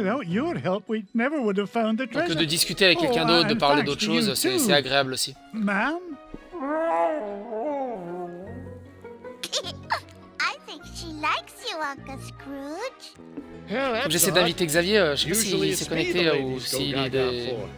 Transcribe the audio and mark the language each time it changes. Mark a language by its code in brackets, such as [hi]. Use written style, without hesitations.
[fr] Donc, de discuter avec quelqu'un d'autre, de parler d'autre chose, c'est agréable aussi. [en] Ma'am? I think she likes you, Uncle Scrooge. [fr] Donc, j'essaie d'inviter Xavier, je sais pas s'il s'est connecté ou s'il est de.